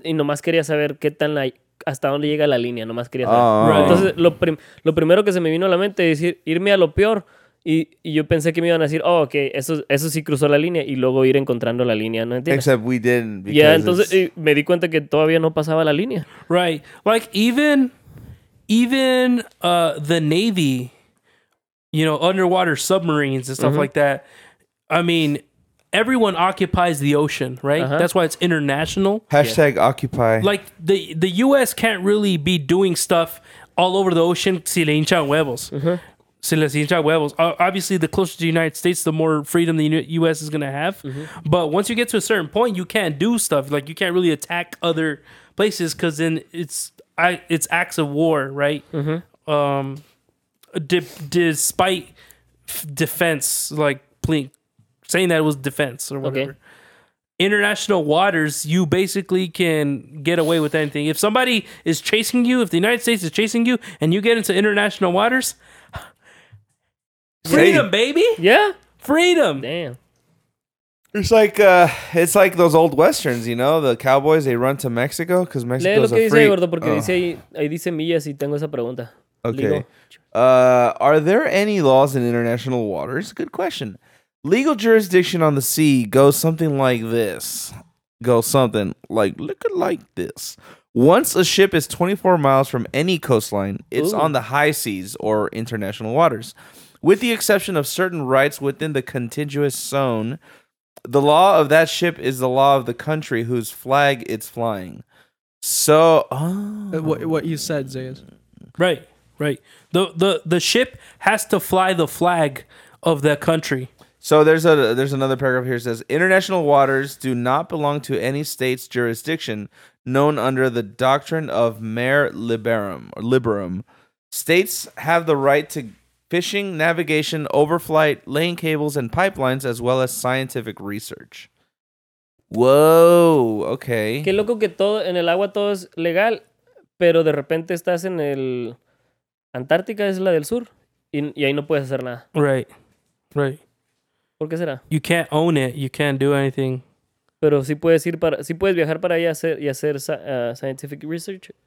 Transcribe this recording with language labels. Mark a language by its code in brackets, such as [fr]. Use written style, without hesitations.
[es] Y nomás quería saber qué tan la... hasta dónde llega la línea, nomás quería saber. [en] Right. [es] Entonces, lo primero que se me vino a la mente es decir, irme a lo peor... Y yo pensé que me iban a decir, oh, ok, eso sí cruzó la línea, y luego ir encontrando la línea, ¿no entiendes? [en] Except we didn't. [es] Ya, entonces me di cuenta que todavía no pasaba la línea. [en] Right. Like, even the Navy, you know, underwater submarines and stuff like that. I mean, everyone occupies the ocean, right? Uh-huh. That's why it's international. Hashtag occupy. Like, the U.S. can't really be doing stuff all over the ocean [es] si le hinchan huevos. [en] Uh-huh. Obviously, the closer to the United States, the more freedom the U.S. is going to have. Mm-hmm. But once you get to a certain point, you can't do stuff. Like, you can't really attack other places because then it's acts of war, right? Mm-hmm. Despite defense, like, saying that it was defense or whatever. Okay. International waters, you basically can get away with anything. If somebody is chasing you, if the United States is chasing you, and you get into international waters... Freedom, baby. Yeah. Freedom. Damn. It's like those old westerns, you know? The cowboys, they run to Mexico because Mexico's a free... [es] Lee lo que dice, gordo, porque ahí dice millas y tengo esa pregunta. [en] Okay. Are there any laws in international waters? Good question. Legal jurisdiction on the sea goes something like this. Look at like this. Once a ship is 24 miles from any coastline, it's on the high seas or international waters. With the exception of certain rights within the contiguous zone, the law of that ship is the law of the country whose flag it's flying. So, what you said, Zayas. Right. The ship has to fly the flag of the country. So there's another paragraph here that says international waters do not belong to any state's jurisdiction known under the doctrine of mare liberum. States have the right to fishing, navigation, overflight, laying cables and pipelines, as well as scientific research. Whoa, okay. [es] Qué loco que todo en el agua todo es legal, pero de repente estás en el Antártica, es la del sur, y ahí no puedes hacer nada. [en] Right. [es] ¿Por qué será? [en] You can't own it. You can't do anything. [es] Pero sí puedes ir para, sí puedes viajar para allá y hacer [en] scientific research.